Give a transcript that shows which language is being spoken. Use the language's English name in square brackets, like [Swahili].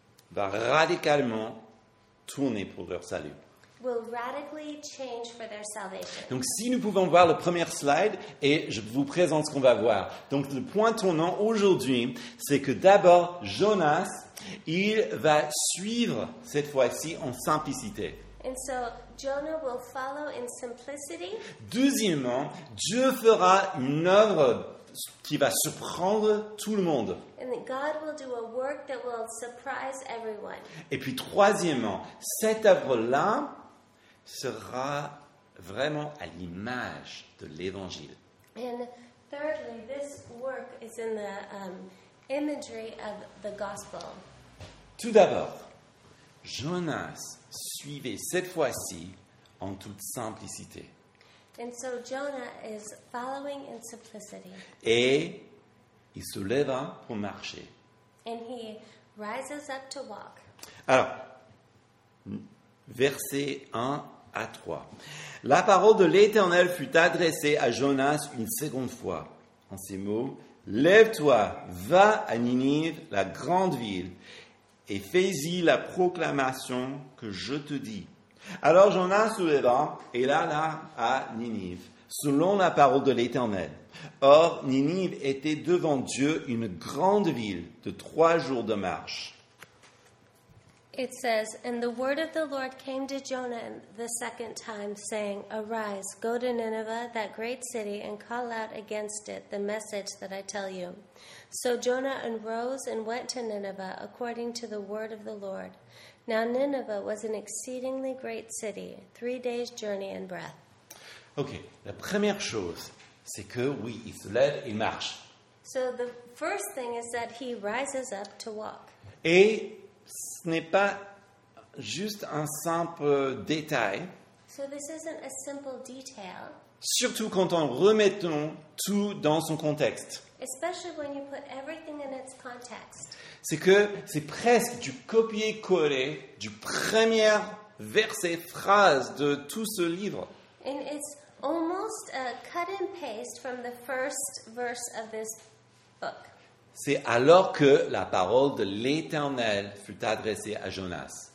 [French] va radicalement tourner pour leur salut. [English] Will radically change for their salvation. [French] Donc, si nous pouvons voir le premier slide, et je vous présente ce qu'on va voir. Donc, le point tournant aujourd'hui, c'est que d'abord, Jonas, il va suivre cette fois-ci en simplicité. [English] And so, Jonah will follow in simplicity. [French] Deuxièmement, Dieu fera une œuvre qui va surprendre tout le monde. [English] And God will do a work that will surprise everyone. [French] Et puis troisièmement, cette œuvre-là sera vraiment à l'image de l'Évangile. [English] And thirdly, this work is in the imagery of the gospel. [French] Tout d'abord, Jonas suivait cette fois-ci en toute simplicité. [English] And so Jonah is following in simplicity. [French] Et il se leva pour marcher. [English] And he rises up to walk. [French] Alors, versets 1 à 3. La parole de l'Éternel fut adressée à Jonas une seconde fois. En ces mots, lève-toi, va à Ninive, la grande ville, et fais-y la proclamation que je te dis. Alors Jonas se leva et alla à Ninive, selon la parole de l'Éternel. Or, Ninive était devant Dieu une grande ville de 3 jours de marche. [English] It says, and the word of the Lord came to Jonah the second time, saying, arise, go to Nineveh, that great city, and call out against it the message that I tell you. So Jonah arose and went to Nineveh according to the word of the Lord. Now Nineveh was an exceedingly great city, 3 days' journey in breadth. [French] OK, la première chose, c'est que oui, il se lève, il marche. [English] So the first thing is that he rises up to walk. [French] Et ce n'est pas juste un simple détail. [English] So this isn't a simple detail. [French] Surtout quand on remettons tout dans son contexte. [English] Especially when you put everything in its context. [French] C'est que c'est presque du copier-coller du premier verset, phrase de tout ce livre. [English] And it's almost a cut and paste from the first verse of this book. [French] C'est alors que la parole de l'Éternel fut adressée à Jonas.